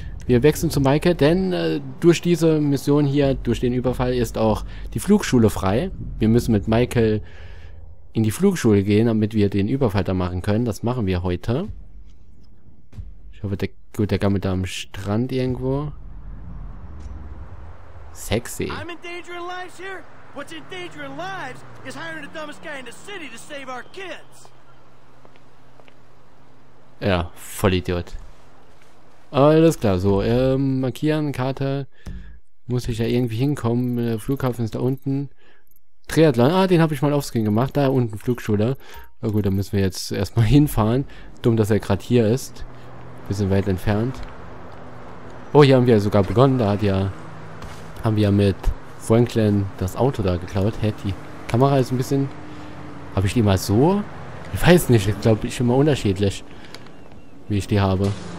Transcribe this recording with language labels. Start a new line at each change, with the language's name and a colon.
German: Wir wechseln zu Maike, denn durch diese Mission hier, durch den Überfall, ist auch die Flugschule frei. Wir müssen mit Maike in die Flugschule gehen, damit wir den Überfall da machen können. Das machen wir heute. Ich hoffe, der gammelt da am Strand irgendwo.
English: Sexy. I'm in danger of lives here. What's in danger of lives is hiring the dumbest guy in the city to save our kids.
German: Ja, Vollidiot. Alles klar, so, markieren, Karte, muss ich ja irgendwie hinkommen, der Flughafen ist da unten, Triathlon, ah, den habe ich mal aufscreen gemacht, da unten Flugschule, na gut, da müssen wir jetzt erstmal hinfahren, dumm, dass er gerade hier ist, bisschen weit entfernt, oh, hier haben wir sogar begonnen, da haben wir mit Franklin das Auto da geklaut, hä, die Kamera ist ein bisschen, habe ich die mal so, ich weiß nicht, ich glaube, ich bin mal unterschiedlich, wie ich die habe.